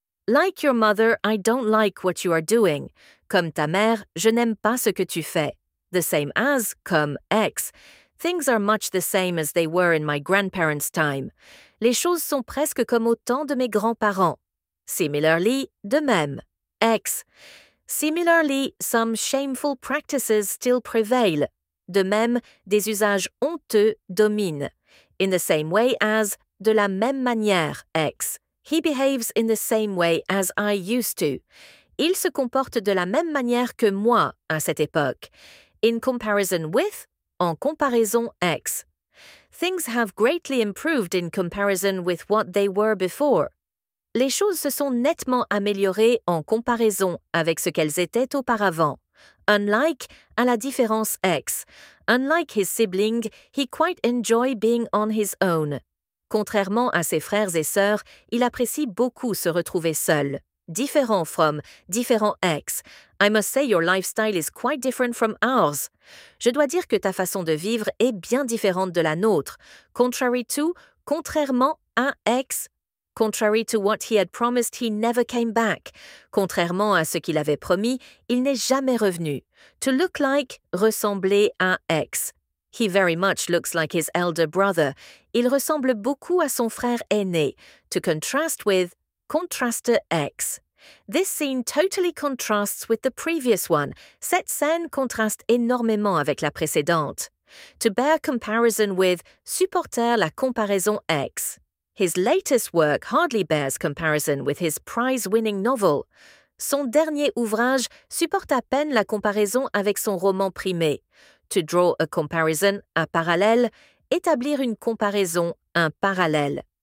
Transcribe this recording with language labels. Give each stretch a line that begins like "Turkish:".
English: Like your mother, I don't like what you are doing.
French: Comme ta mère, je n'aime pas ce que tu fais.
English: The same as,
French: comme ex.
English: Things are much the same as they were in my grandparents' time.
French: Les choses sont presque comme au temps de mes grands-parents. Similarly, de même. Ex.
English: Similarly, some shameful practices still prevail.
French: De même, des usages honteux dominent.
English: In the same way as,
French: de la même manière, ex.
English: He behaves in the same way as I used to.
French: Il se comporte de la même manière que moi à cette époque.
English: In comparison with,
French: en comparaison
English: ex. Things have greatly improved in comparison with what they were before.
French: Les choses se sont nettement améliorées en comparaison avec ce qu'elles étaient auparavant. Unlike, à la différence ex.
English: Unlike his sibling, he quite enjoy being on his own.
French: Contrairement à ses frères et sœurs, il apprécie beaucoup se retrouver seul.
English: Different from, different ex. I must say your lifestyle is quite different from ours.
French: Je dois dire que ta façon de vivre est bien différente de la nôtre.
English: Contrary to,
French: contrairement à
English: ex. Contrary to what he had promised, he never came back.
French: Contrairement à ce qu'il avait promis, il n'est jamais revenu.
English: To look like,
French: ressembler à
English: ex. He very much looks like his elder brother.
French: Il ressemble beaucoup à son frère aîné.
English: To contrast with, contraster ex. This scene totally contrasts with the previous one.
French: Cette scène contraste énormément avec la précédente.
English: To bear comparison with,
French: supporter la comparaison
English: ex. His latest work hardly bears comparison with his prize-winning novel.
French: Son dernier ouvrage supporte à peine la comparaison avec son roman primé.
English: To draw a comparison,
French: un parallèle, établir une comparaison, un parallèle.